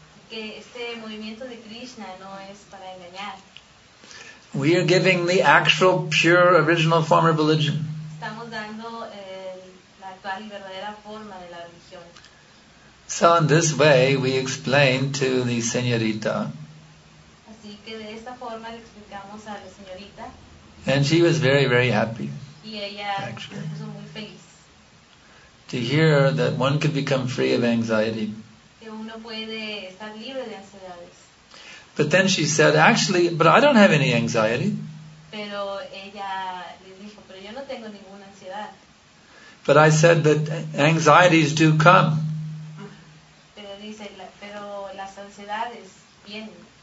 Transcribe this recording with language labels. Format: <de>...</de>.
<es>Que este movimiento de Krishna no es para engañar.</es> <en>We are giving the actual, pure, original form of religion.</en> <es>Estamos dando la actual y verdadera forma de la religión.</es> <en>So in this way, we explain to the señorita.</en> <es>Así que de esta forma le explicamos a la señorita.</es> <en>And she was very, very happy.</en> <es>Y ella actually. Fue muy feliz.</es> <en>To hear that one could become free of anxiety.</en> <es>Que uno puede estar libre de ansiedades.</es> <en>But then she said, actually, but I don't have any anxiety.</en> <es>Pero ella le dijo, pero yo no tengo ninguna ansiedad.</es> <en>But I said that anxieties do come.</en> <es>Pero dice, pero las ansiedades vienen.</es>